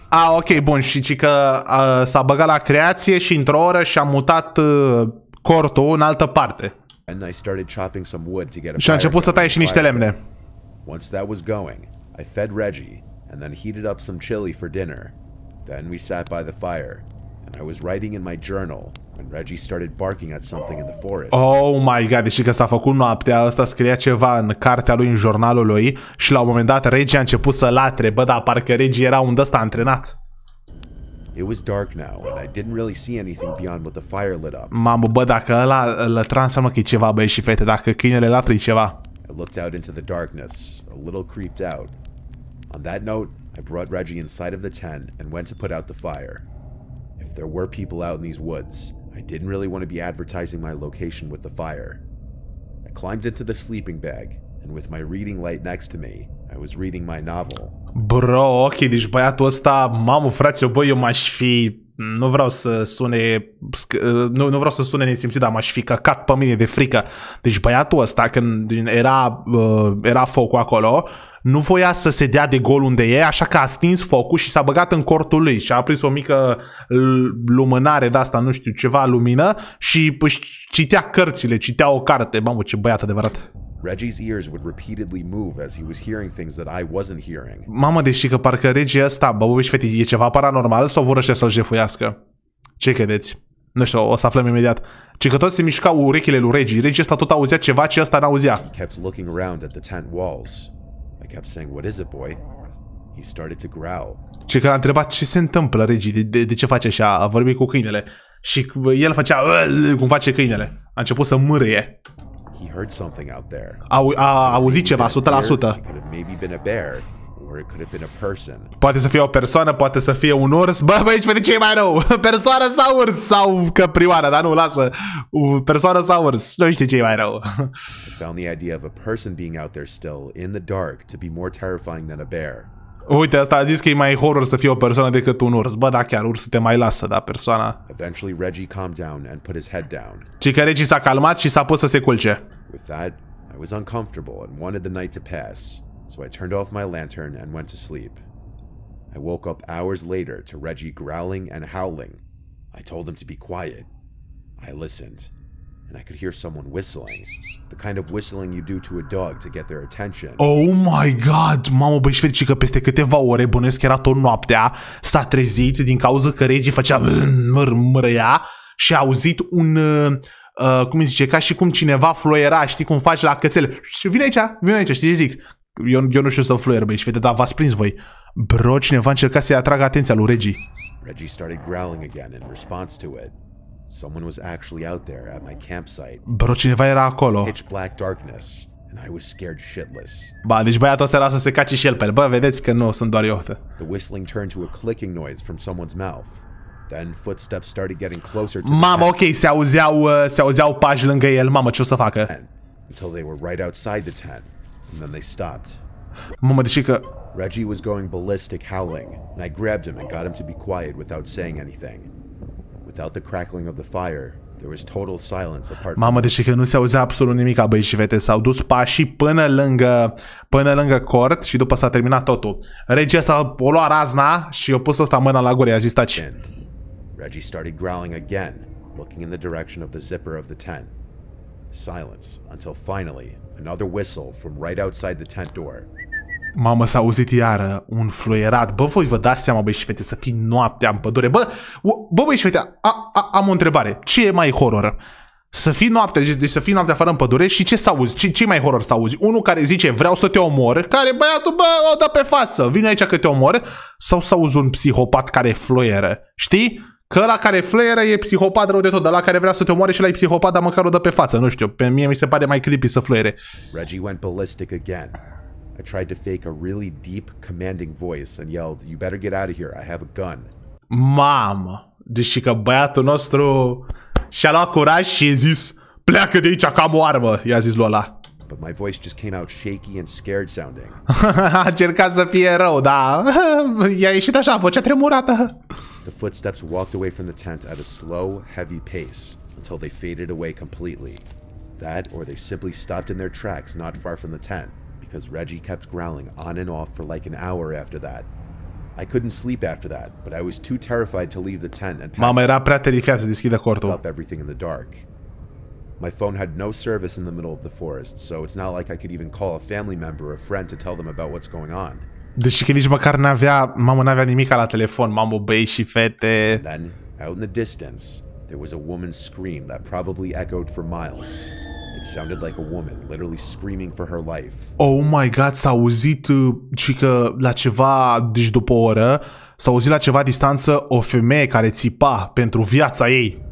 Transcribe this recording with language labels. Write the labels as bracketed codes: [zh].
[ro] Ah, ok, bun, și ci că s-a băgat la creație și într-o oră și-a mutat cortul în altă parte. [en] And I started chopping some wood to get a fire. [ro] Și a început să taie și niște lemne. [en] Once that was going, I fed Reggie. And then heated up some chili for dinner. Then we sat by the fire. I was writing in my journal when Reggie started barking at something in the forest. Oh my god, [ro] deci că s-a făcut noaptea, ăsta scria ceva în cartea lui, în jurnalul lui, și la un moment dat Reggie a început să latre, bă, dar parcă Reggie era un ăsta antrenat. [en] It was dark now and I didn't really see anything beyond what the fire lit up. [ro] Mamă, bă, dacă ăla lătra, înseamnă că e ceva, băi și fete, dacă câinele latră, e ceva. [en] I looked out into the darkness, a little creeped out. On that note, I brought Reggie inside of the tent and went to put out the fire. If there were people out in these woods, I didn't really want to be advertising my location with the fire. I climbed into the sleeping bag and with my reading light next to me, I was reading my novel. [ro] Bro, ok, deci băiatul ăsta, mamă, frate, bă, eu m-aș fi, nu vreau să sune, nu vreau să sune nesimțit, dar m-aș fi căcat pe mine de frică. Deci băiatul ăsta, când era focul acolo, nu voia să se dea de gol unde e, așa că a stins focul și s-a băgat în cortul lui și a prins o mică lumânare de asta, nu știu, ceva lumină și își citea cărțile, citea o carte, mamă, ce băiat adevărat. [en] Reggie's ears would repeatedly move as he was hearing things that I wasn't hearing. [ro] Mamă, deși că parcă Reggie ăsta, bă, bă, și fete, e ceva paranormal sau vorăște să-l jefuiască? Ce credeți? Nu știu, o să aflăm imediat. Ci că tot se mișcau urechile lui Reggie. Reggie ăsta tot auzea ceva ce ăsta n-auzea. [en] He kept looking around at the tent walls. I kept saying, what is it, boy? He started to growl. [ro] Ci că l-a întrebat ce se întâmplă, Reggie, de ce face așa, a vorbit cu câinele. Și el făcea, cum face câinele. A început să mârâie. [en] He heard something out there. [ro] A auzit ceva, 100%. [en] It could have maybe been a bear, or it could have been a person. [ro] Poate să fie o persoană, poate să fie un urs. Bă, băieți, vede ce e mai rău? Persoană sau urs? Sau căprioară, dar nu, lasă. Persoană sau urs? Nu știu ce e mai rău. [en] I found the idea of a person being out there still, in the dark, to be more terrifying than a bear. [ro] Uite, asta a zis că e mai horror să fie o persoană decât un urs. Bă, da, chiar, ursul te mai lasă, da, persoana. [en] Eventually, Reggie calmed down and put his head down. [ro] Ci că Reggie s-a calmat și s-a pus să se culce. [en] With that, I was uncomfortable and wanted the night to pass. So I turned off my lantern and went to sleep. I woke up hours later to Reggie growling and howling. I told him to be quiet. I listened. And I could hear someone whistling. The kind of whistling you do to a dog to get their attention. Oh my god, [ro] mamă, băi, și fete, că peste câteva ore, bănuiesc că era tot noaptea, s-a trezit din cauza că Reggie făcea mărâia și a auzit un, cum îi zice, ca și cum cineva fluiera, știi cum faci la cățel. Vine aici, vine aici, știi ce zic? Eu nu știu să fluier, băi, și fete, dar v-ați prins voi. Bro, cineva încerca să-i atragă atenția lui Reggie. [en] Reggie started growling again in response to it. Someone was actually out there at my campsite. [ro] Bro, cineva era acolo. [en] Pitch black darkness, and I was scared shitless. [ro] Ba, deci băiatul ăsta era să se cace și el pe el. Bă, vedeți că nu, sunt doar eu. [en] The whistling turned to a clicking noise from someone's mouth. Then footsteps started getting closer to [ro] Mama, okay, se auzeau pași lângă el. Mamă, ce o să facă? [en] Until they were right outside the tent, and then they stopped. [ro] Mamă, deci că [en] Reggie was going ballistic howling, and I grabbed him and got him to be quiet without saying anything. Without the crackling of the fire, there was total silence apart. [ro] Mamă, deci că nu se auzea absolut nimic, băi și fete, s-au dus pașii până lângă cort și după s-a terminat totul. Reggie ăsta o lua razna și o pus ăsta mâna la gură, a zis taci. Reggie started growling again, looking in the direction of the zipper of the tent. Silence until finally another whistle from right outside the tent door. Mamă, s-a auzit iară un fluierat. Bă, voi vă dați seama, băi și fete, să fii noaptea în pădure. Bă, băi și fete, am o întrebare. Ce e mai horror? Să fii noaptea, deci să fii noaptea afară în pădure și ce s-auzi? Ce e mai horror să auzi? Unul care zice, vreau să te omor, care băiatul, bă, o dă pe față, vine aici că te omor. Sau s-auzi un psihopat care fluieră, știi? Că ăla care fluieră e psihopat rău de tot, ăla care vrea să te omoare și ăla e psihopat, dar măcar o dă pe față, nu știu. Pe mie mi se pare mai creepy să fluiere. [en] Reggie went ballistic again. I tried to fake a really deep commanding voice and yelled, "You better get out of here. I have a gun." [ro] Mamă, deși că băiatul nostru și-a luat curaj și a zis, "Pleacă de aici, că am o armă." I-a zis lui ăla. [en] But my voice just came out shaky and scared sounding. [ro] A încercat să fie rău, da. I-a ieșit așa, vocea tremurată. [en] The footsteps walked away from the tent at a slow, heavy pace until they faded away completely. That or they simply stopped in their tracks not far from the tent. Because Reggie kept growling on and off for like an hour after that. I couldn't sleep after that, but I was too terrified to leave the tent and [ro] Mama era prea terifiat să deschidă cortul. [en] Up everything in the dark. My phone had no service in the middle of the forest, so it's not like I could even call a family member or a friend to tell them about what's going on. [ro] Deci că nici măcar n-avea, mamă, n-avea nimic la telefon, mamă, băi și fete. [en] Then, Out in the distance, there was a woman's scream that probably echoed for miles. It sounded like a woman literally screaming for her life. Oh my god, [ro] s-a auzit chica la ceva, deci după o oră, s-a auzit la ceva distanță o femeie care țipa pentru viața ei.